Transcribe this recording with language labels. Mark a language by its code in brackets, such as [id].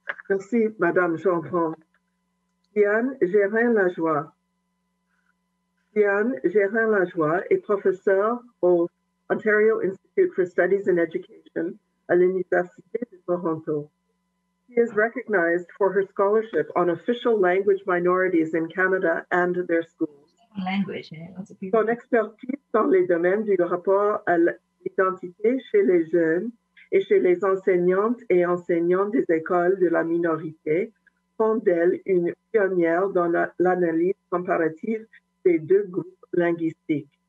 [fr] Merci, Madame Gendron. Diane Gérin-Lajoie. Diane Gérin-Lajoie est professeure au Ontario Institute for Studies in Education à l'Université de Toronto. [en] She is recognized for her scholarship on official language minorities in Canada and their schools. [fr] Son expertise dans les domaines du rapport à l'identité chez les jeunes et chez les enseignantes et enseignants des écoles de la minorité font d'elle une pionnière dans l'analyse comparative des deux groupes linguistiques.